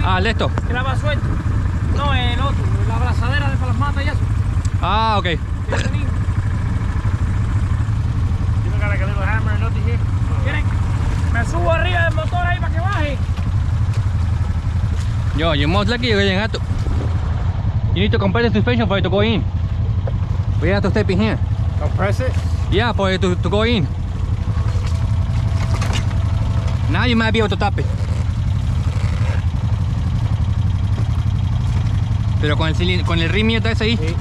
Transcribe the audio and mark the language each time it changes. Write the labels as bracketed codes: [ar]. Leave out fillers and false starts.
[es] Ah, el de esto. Que la va suelto. No, el otro, la abrazadera de para las matas y eso. Ah, ok. Que tenía. Tiene cara que le doy hammer, no te dije. ¿Quieren? Me subo arriba del motor ahí para que baje. [en] Yo, you most likely you're getting out. You need to compress the suspension for it to go in. We have to step in here. Compress it? Yeah, for it to go in. Now you might be able to tap it. [es] Pero con el cilindro, con el rimio está ese ahí.